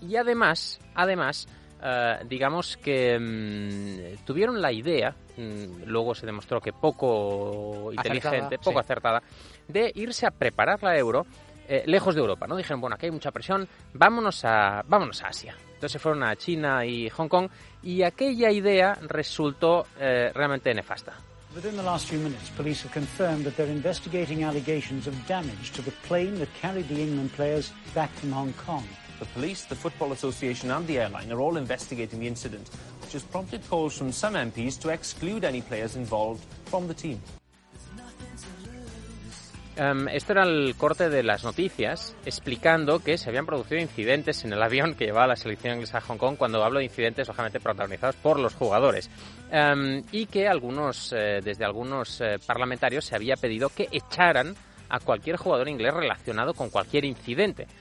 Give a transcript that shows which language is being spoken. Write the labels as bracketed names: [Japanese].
[Spanish] Y además, tuvieron la idea, luego se demostró que poco inteligente, acertada, poco acertada, de irse a preparar la Euro lejos de Europa, ¿no? Dijeron, bueno, aquí hay mucha presión, vámonos a Asia. Entonces se fueron a China y Hong Kong y aquella idea resultó realmente nefasta. [English] Within the last few minutes, police have confirmed that they're investigating allegations of damage to the plane that carried the England players back from Hong Kong. The police, the Football Association and the airline are all investigating the incident, which has prompted calls from some MPs to exclude any players involved from the team. [Spanish] Esto era el corte de las noticias explicando que se habían producido incidentes en el avión que llevaba la selección inglesa a Hong Kong, cuando hablo de incidentes, lógicamente protagonizados por los jugadores, y que desde algunos parlamentarios se había pedido que echaran a cualquier jugador inglés relacionado con cualquier incidente.